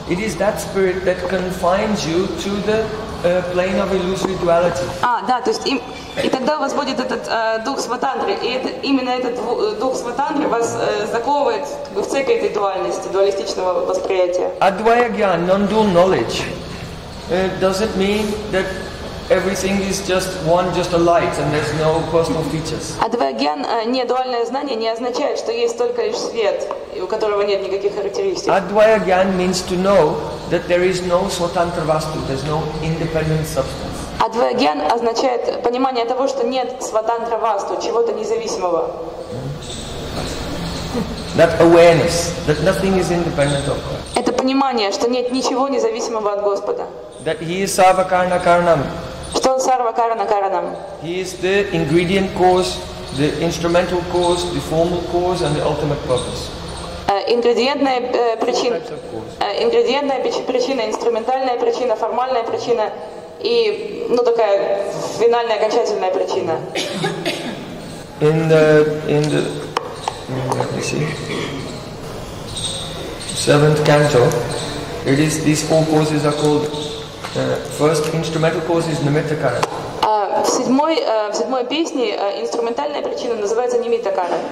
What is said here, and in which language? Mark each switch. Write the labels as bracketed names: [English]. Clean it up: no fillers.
[English] It is that spirit that confines you to the plane of illusory duality. [Russian] Да, то есть и тогда у вас будет этот дух свататры, и это именно этот дух свататры вас заковывает в цепи этой дуальности, дуалистичного восприятия. [English] Advaya gyan, non-dual knowledge. Does it mean that everything is just one, just a light, and there's no personal features? [Russian] Advaya gyan, не дуальное знание, не означает, что есть только лишь свет, у которого нет никаких характеристик. [English] Advaya gyan means to know that there is no svatantra vastu, there's no independent substance. [Russian] Advaya gyan означает понимание того, что нет svatantra vastu, чего-то независимого. [English] That awareness that nothing is independent of God. [Russian] Это понимание, что нет ничего независимого от Господа. [English] That He is sarvakarna karanam. [Russian] Что Он sarvakarna karanam. [English] He is the ingredient cause, the instrumental cause, the formal cause, and the ultimate purpose. [Russian] Ингредиентная причина, инструментальная причина, формальная причина и, ну, такая финальная, окончательная причина. [English] In the let me see, seventh canto, it is, these four causes are called, first instrumental cause is nimittakara. [Russian] В седьмой песне инструментальная причина называется nimittakara.